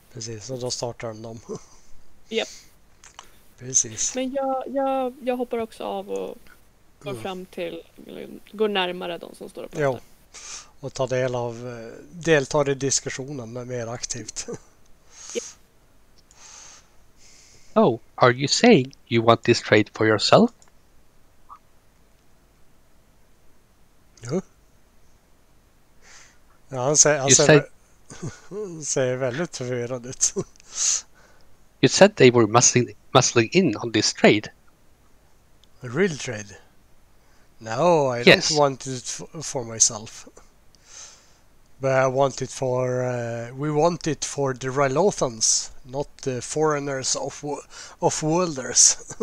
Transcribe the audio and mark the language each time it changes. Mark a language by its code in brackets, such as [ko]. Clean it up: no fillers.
[sv] Precis, och då startar den dem. Japp. Precis. Men jag hoppar också av och går fram till, går närmare de som står och pratar. Ja, och tar del av, deltar i diskussionen mer aktivt. [en] Oh, are you saying you want this trade for yourself? [sv] Ja, han ser väldigt förvirrad ut. [en] You said they were muscling in on this trade. A real trade? No, I don't want it for myself. But I want it for we want it for the Rylothans, not the foreigners of Wilders.